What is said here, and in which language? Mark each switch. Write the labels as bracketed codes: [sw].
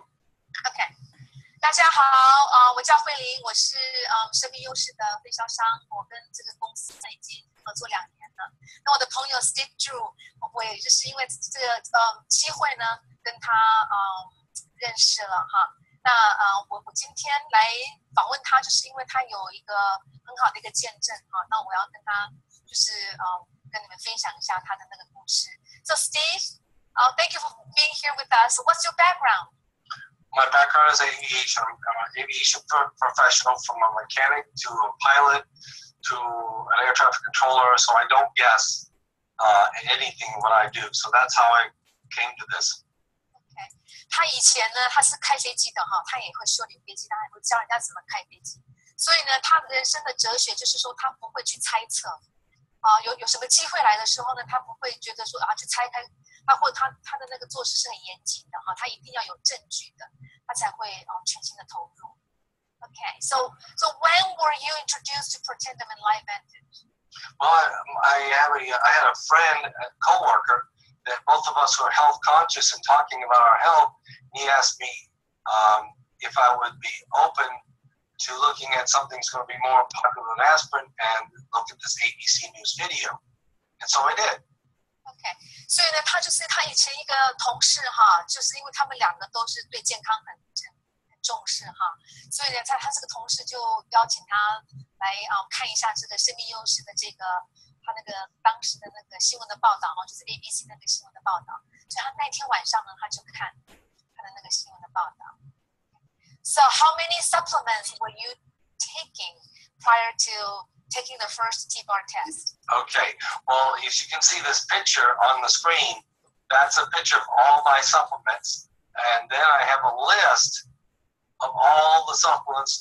[zh] OK， 大家好，我叫慧琳，我是生命优势的分销商，我跟这个公司已经合作两年了。那我的朋友 Steve Drew， 我也就是因为这个机会呢，跟他认识了哈。那我今天来访问他，就是因为他有一个很好的一个见证哈、啊。那我要跟他就是跟你们分享一下他的那个故事。 [en] So Steve, thank you for being here with us. What's your background? My background is aviation. I'm an aviation professional, from a mechanic to a pilot to an air traffic controller. So I don't guess anything what I do. So that's how I came to this. [zh] 他以前呢，他是开飞机的哈，他也会修理飞机，他也会教人家怎么开飞机。所以呢，他人生的哲学就是说，他不会去猜测，有什么机会来的时候呢，他不会觉得说啊去猜开，或者他的那个做事是很严谨的哈，他一定要有证据的，他才会全心的投入。 [en] Okay, so when were you introduced to Pretendum and LiveVantage? Well, I had a friend, a coworker. That both of us were health conscious and talking about our health. And he asked me if I would be open to looking at something that's going to be more popular than aspirin and look at this ABC News video. And so I did. Okay. So, he was his colleague, because they both are very concerned about health. So, his colleague invited him to look at this Life Advantage. [zh] 他那个当时的那个新闻的报道就是 ABC 那个新闻的报道，所以他那天晚上呢，他就看他的那个新闻的报道。 [en] So how many supplements were you taking prior to taking the first T-bar test? Okay, well, if you can see this picture on the screen, that's a picture of all my supplements, and then I have a list of all the supplements.